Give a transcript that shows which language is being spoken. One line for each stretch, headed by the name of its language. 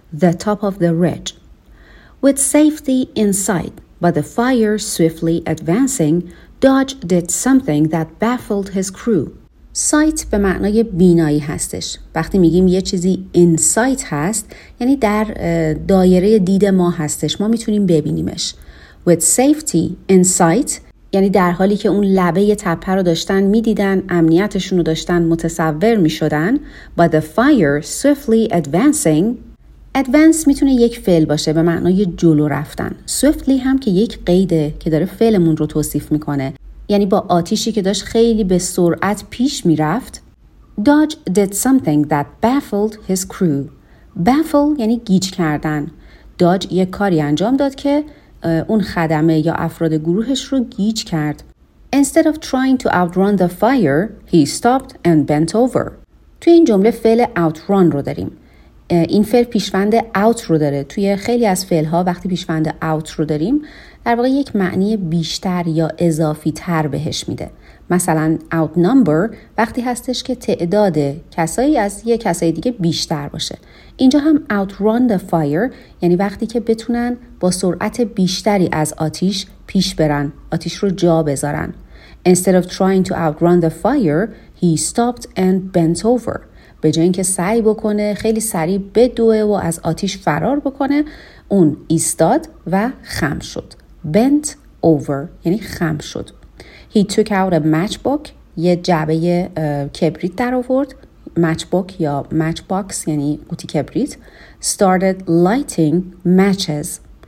English: the top of the ridge with safety in sight. But the fire swiftly advancing, Dodge did something that baffled his crew.
Persian: Sight به معنای بینایی هستش. وقتی میگیم یه چیزی
English: in sight
Persian: هست، یعنی در دایره دید ما هستش. ما میتونیم ببینیمش.
English: With safety in sight،
Persian: یعنی در حالی که اون لبه تپه رو داشتن میدیدن، امنیتشون رو داشتن متصور میشدن.
English: But the fire swiftly advancing،
Persian: advance میتونه یک فعل باشه به معنای جلو رفتن. swiftly هم که یک قیده که داره فعلمون رو توصیف میکنه، یعنی با آتیشی که داشت خیلی به سرعت پیش میرفت.
English: Dodge did something that baffled his crew. baffle
Persian: یعنی گیج کردن. Dodge یک کاری انجام داد که اون خدمه یا افراد گروهش رو گیج کرد.
English: instead of trying to outrun the fire he stopped and bent over.
Persian: توی این جمله فعل outrun رو داریم. این فعل پیشوند out رو داره. توی خیلی از فعلها وقتی پیشوند out رو داریم در واقع یک معنی بیشتر یا اضافی تر بهش میده. مثلا outnumber وقتی هستش که تعداد کسایی از یک کسای دیگه بیشتر باشه. اینجا هم
English: outrun the fire
Persian: یعنی وقتی که بتونن با سرعت بیشتری از آتیش پیش برن، آتیش رو جا بذارن.
English: instead of trying to outrun the fire he stopped and bent over.
Persian: به جای اینکه سعی بکنه خیلی سریع بدوه و از آتیش فرار بکنه، اون ایستاد و خم شد.
English: bent over
Persian: یعنی خم شد.
English: he took out a matchbox،
Persian: یه جعبه کبریت در آورد.
English: matchbox یا matchbox
Persian: یعنی قوطی کبریت.
English: started lighting matches.